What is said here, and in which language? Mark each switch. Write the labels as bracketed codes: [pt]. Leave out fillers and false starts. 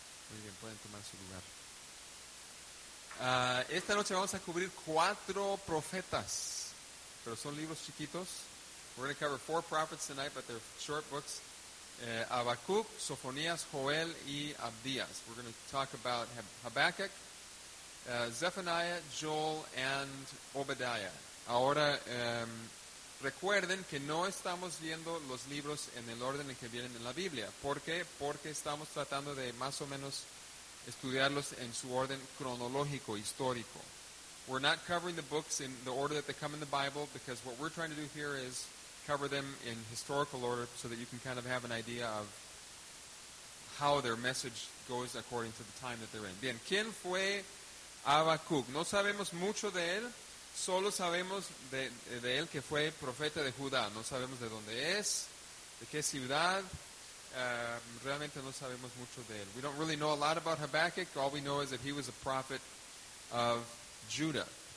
[es] Muy bien, pueden tomar su lugar. Esta noche vamos a cubrir cuatro profetas, pero son libros chiquitos. [en] We're going to cover four prophets tonight, but they're short books. [es] Habacuc, Sofonías, Joel y Abdías. [en] We're going to talk about Habakkuk, Zephaniah, Joel and Obadiah. [es] Ahora, recuerden que no estamos viendo los libros en el orden en que vienen en la Biblia. ¿Por qué? Porque estamos tratando de más o menos estudiarlos en su orden cronológico, histórico. [en] We're not covering the books in the order that they come in the Bible, because what we're trying to do here is cover them in historical order so that you can kind of have an idea of how their message goes according to the time that they're in. [es] Bien, ¿quién fue Habacuc? No sabemos mucho de él, solo sabemos de él que fue profeta de Judá. No sabemos de dónde es, de qué ciudad. Realmente no sabemos mucho de él. [en] We don't really know a lot about Habakkuk. All we know is that he was a prophet of Judah.